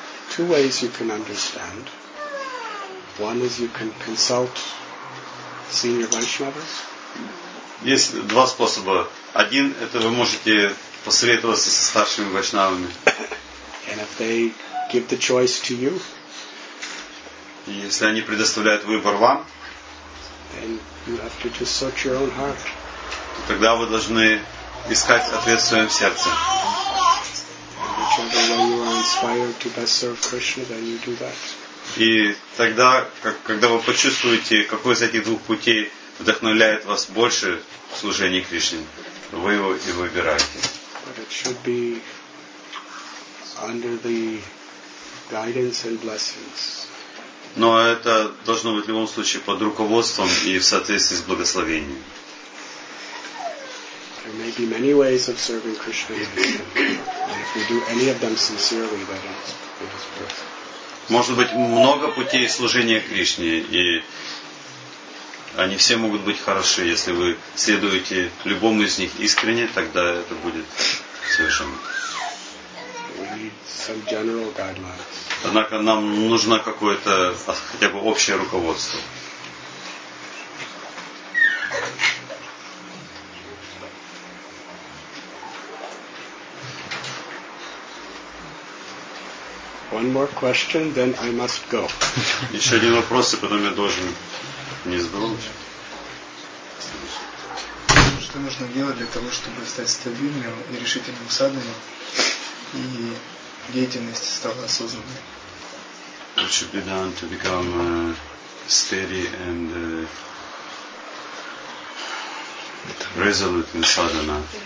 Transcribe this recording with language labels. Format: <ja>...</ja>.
<en>two ways you can understand. One is you can consult senior Vaishnavas.</en> <ru>Есть два способа. Один – это вы можете посоветоваться со старшими вайшнавами.</ru> <en>And if they give the choice to you,</en> <ru>и если они предоставляют выбор вам,</ru> <en>then you have to just search your own heart.</en> <ru>То тогда вы должны искать ответ в своем сердце.</ru> <en>Whichever way you are inspired to best serve Krishna, then you do that.</en> <ru>И тогда, когда вы почувствуете, какой из этих двух путей вдохновляет вас больше в служении Кришне, вы его и выбираете.</ru> <en>But it should be under the guidance and blessings.</en> <ru>Но это должно быть в любом случае под руководством и в соответствии с благословением.</ru> <en>There may be many ways of serving Krishna, and if we do any of them sincerely, then it is worth it.</en> <ru>Может быть много путей служения Кришне, и они все могут быть хороши. Если вы следуете любому из них искренне, тогда это будет совершенно.</ru> <en>We need some general guidelines.</en> <ru>Однако нам нужно какое-то хотя бы общее руководство.</ru> <en>One more question, then I must go.</en> <ru>Еще один вопрос, и потом я должен не сбрось. Что нужно делать для того, чтобы стать стабильным и решительным садханом, и деятельность стала осознанной?</ru> <en>What should be done to become steady and resolute in sadhana?</en>